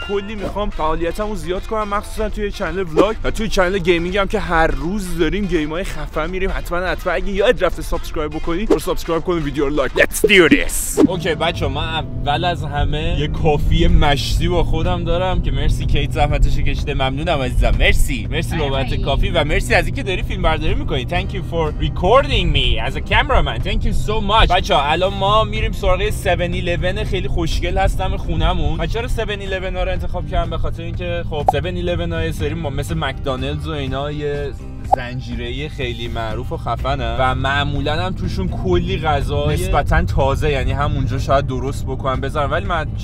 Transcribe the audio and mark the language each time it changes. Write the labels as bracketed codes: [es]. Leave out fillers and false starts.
[fa] کلی میخوام فعالیتمو زیاد کنم، مخصوصا توی چنل ولاگ و توی چنل گیمینگ هم که هر روز داریم گیم های خفن میریم. حتما اگه یاد رفته سابسکرایب بکنی برو سابسکرایب کن، ویدیو رو لایک. [en] Let's do this. [fa] اوکی بچه، من اول از همه یه کافی مشتی با خودم دارم که مرسی کیت زحمتشو کشیده، ممنونم عزیزم. مرسی بابت کافی و مرسی از اینکه داری فیلم برداری میکنی. [en] Thank you for recording me as a cameraman. Thank you so much. [fa] بچه ها الان ما میریم سراغ 7-11 خیلی خوشگل هستم خونمون. بچه ها 7-11 ها رو انتخاب کردم به خاطر اینکه خب 7-11 های سری ما مثل مکدانلدز و اینا یه زنجیره خیلی معروف و خفنه و معمولا هم توشون کلی غذا نسبتا تازه، یعنی همونجا شاید درست بکنم بزن، ولی من